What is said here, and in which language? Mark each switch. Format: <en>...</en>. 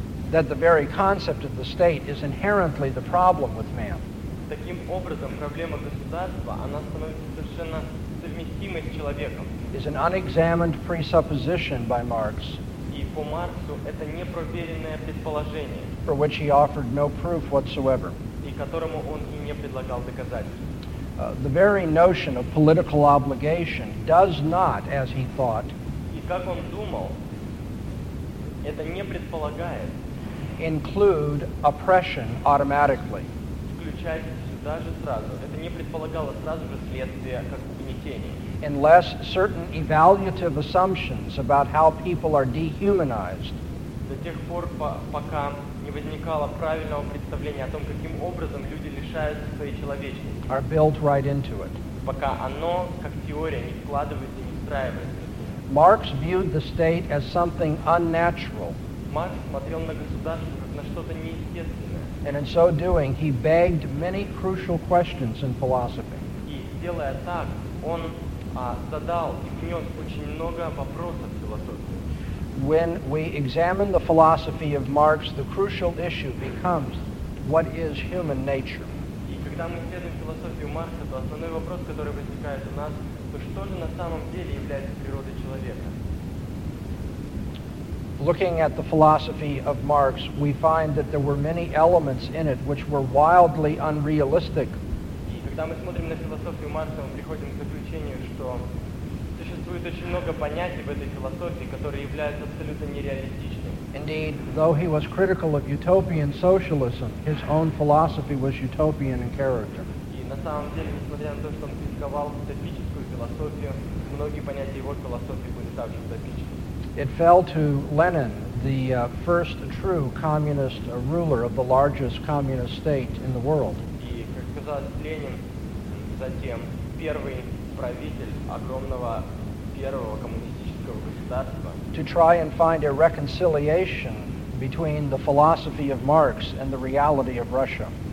<en>That the very concept of the state is inherently the problem with man.</en> <ru>Таким образом, проблема государства, она становится совершенно совместимой с человеком.</ru> <en>Is an unexamined presupposition by Marx.</en> <ru>И по Марксу это непроверенное предположение.</ru> <en>For which he offered no proof whatsoever.</en> <ru>И которому он и не предлагал доказательств.</ru> <en>The very notion of political obligation does not, as he thought,</en> <ru>и как он думал, это не предполагает,</ru> <en>include oppression automatically.</en> <ru>Включать сюда же сразу. Это не предполагало сразу же следствие, как угнетение.</ru> <en>Unless certain evaluative assumptions about how people are dehumanized.</en> <ru>До тех пор, пока не возникало правильного представления о том, каким образом люди лишаются своей человечности.</ru> <en>Are built right into it.</en> <ru>Пока оно, как теория, не вкладывается и не встраивается.</ru> <en>Marx viewed the state as something unnatural.</en> <ru>Марк смотрел на государство как на что-то неестественное.</ru> <en>And in so doing, he begged many crucial questions in philosophy.</en> <ru>И, делая так, он задал и внес очень много вопросов в философию.</ru> <en>When we examine the philosophy of Marx, the crucial issue becomes, what is human nature?</en> <ru>И когда мы исследуем философию Маркса, то основной вопрос, который возникает у нас, то что же на самом деле является природой человека?</ru> <en>Looking at the philosophy of Marx, we find that there were many elements in it which were wildly unrealistic.</en> <ru>И когда мы смотрим на философию Маркса, мы приходим к заключению, что существует очень много понятий в этой философии, которые являются абсолютно нереалистичными.</ru> <en>Indeed, though he was critical of utopian socialism, his own philosophy was utopian in character.</en> <ru>И на самом деле, несмотря на то, что он критиковал утопическую философию, многие понятия его философии были также утопичными.</ru> <en>It fell to Lenin, the first true communist ruler of the largest communist state in the world.</en> <ru>И, как сказал Ленин, затем первый правитель огромного первого коммунистического государства,</ru> <en>to try and find a reconciliation between the philosophy of Marx and the reality of Russia.</en>